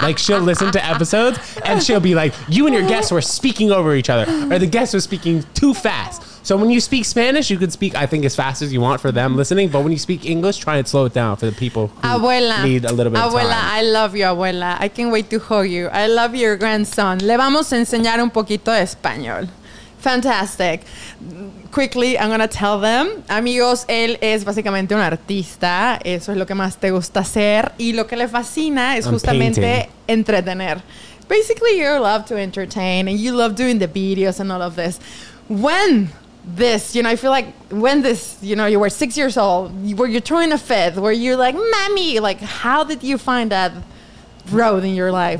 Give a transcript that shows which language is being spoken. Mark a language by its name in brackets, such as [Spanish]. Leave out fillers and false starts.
[English] Like, she'll listen to episodes and she'll be like, you and your guests were speaking over each other, or the guests were speaking too fast. So when you speak Spanish, you can speak, I think, as fast as you want for them listening. But when you speak English, try and slow it down for the people who need a little bit of abuela, Abuela, I love you, abuela. I can't wait to hug you. I love your grandson. [Spanish] Le vamos a enseñar un poquito de español. [English] Fantastic. Quickly, I'm going to tell them. [Spanish] Amigos, él es básicamente un artista. Eso es lo que más te gusta hacer. Y lo que le fascina es justamente entretener. [English] Basically, you love to entertain and you love doing the videos and all of this. When you were 6 years old, were you throwing a fit? Were you like, mommy, like, how did you find that road in your life?